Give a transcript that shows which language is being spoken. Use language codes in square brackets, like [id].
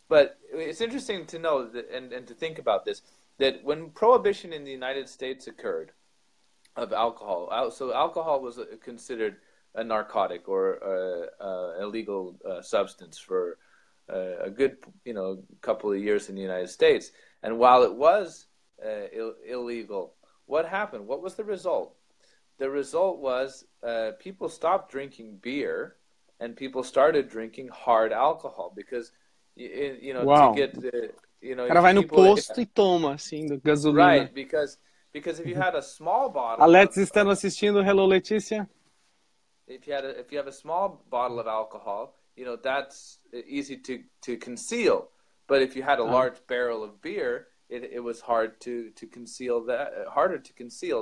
[en] But it's interesting to know and to think about this, that when prohibition in the United States occurred of alcohol, so alcohol was considered a narcotic or a illegal substance for a good, you know, couple of years in the United States. And while it was illegal, what happened? What was the result? The result was people stopped drinking beer and people started drinking hard alcohol because Wow. To get the, [pt] O cara vai no posto e toma, assim, do gasolina. [en] Right, because if you had a small bottle... [pt] Alex, estando assistindo. [en] Hello, [pt] Letícia. [en] If you have a small bottle of alcohol, you know, that's easy to conceal. But if you had a large barrel of beer, it was hard to conceal that, harder to conceal.